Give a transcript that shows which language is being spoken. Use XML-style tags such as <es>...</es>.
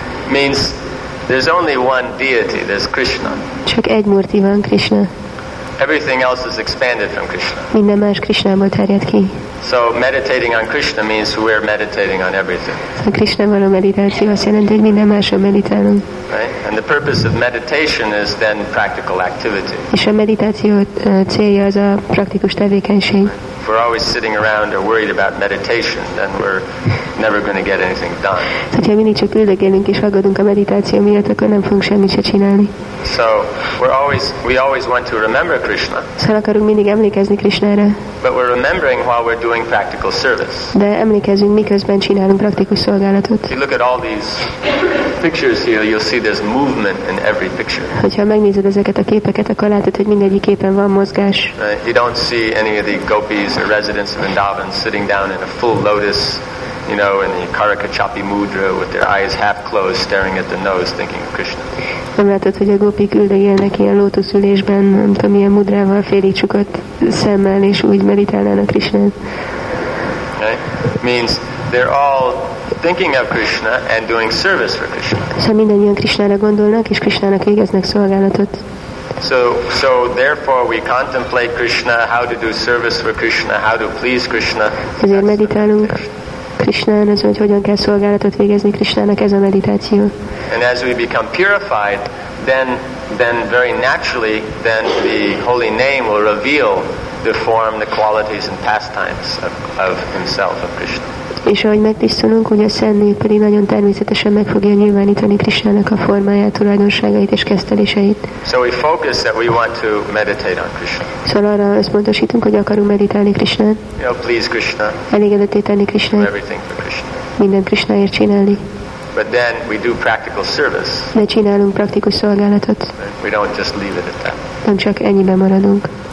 <en>Means there's only one deity, there's Krishna.</en> <hu>Csak egy murti van, Krishna.</hu> <en>Everything else is expanded from Krishna.</en> <hu>Minden más Krishnából terjed ki.</hu> <en>So meditating on Krishna means we're meditating on everything.</en> <hu>A Krishnával a meditáció azt jelenti, hogy minden másról meditálunk.</hu> <en>Right? And the purpose of meditation is then practical activity.</en> <hu>És a meditáció célja az a praktikus tevékenység.</hu> <en>If we're always sitting around or worried about meditation, then we're never going to get anything done.</en> <hu>Hogyha mindig csak üldögélünk és aggódunk a meditáció miatt, akkor nem fogunk semmit se csinálni.</hu> <en>So we always want to remember Krishna.</en> <hu>Szóval akarunk mindig emlékezni Krishnára.</hu> <en>But we're remembering while we're doing practical service.</en> <hu>De emlékezünk miközben csinálunk praktikus szolgálatot.</hu> <en>If you look at all these pictures here, you'll see there's movement in every picture.</en> <hu>Hogyha megnézed ezeket a képeket, akkor látod, hogy mindegyik képen van mozgás.</hu> <en>You don't see any of the gopis or residents of Vrindavan sitting down in a full lotus, you know, in the Karakachapi mudra with their eyes half closed, staring at the nose, thinking of Krishna.</en> <hu>Nem látod, hogy a gopik üldögélnek ilyen lótuszülésben, nem tudom, ilyen mudrával félig csukott szemmel, és úgy meditálnának Krishnát.</hu> <en>Okay. Means they're all thinking of Krishna and doing service for Krishna.</en> <hu>Szóval mindannyian Krishnára gondolnak, és Krishnának végeznek szolgálatot.</hu> <en>So therefore we contemplate Krishna, how to do service for Krishna, how to please Krishna.</en> <hu>Ezért meditálunk Krishnán, az, hogy hogyan kell szolgálatot végezni Krishnának, ez a meditáció.</hu> <en>And as we become purified, then very naturally, then the holy name will reveal the form, the qualities and pastimes of himself, of Krishna.</en> <hu>És ahogy megtisztulunk, hogy a szent nép pedig nagyon természetesen meg fogja nyilvánítani Krishnának a formáját, tulajdonságait és kezdteléseit.</hu> <en>So we focus that we want to meditate on Krishna.</en> <hu>Szóval arra összpontosítunk, hogy akarunk meditálni Krishnán.</hu> <en>You know, please Krishna.</en> <hu>Elégedetté tenni Krishnát.</hu> <en>Everything for Krishna.</en> <hu>Minden Krishnáért csinálni.</hu> <en>But then we do practical service.</en> <hu>De csinálunk praktikus szolgálatot.</hu> <en>We don't just leave it at that.</en> <hu>Nem csak ennyiben maradunk.</hu>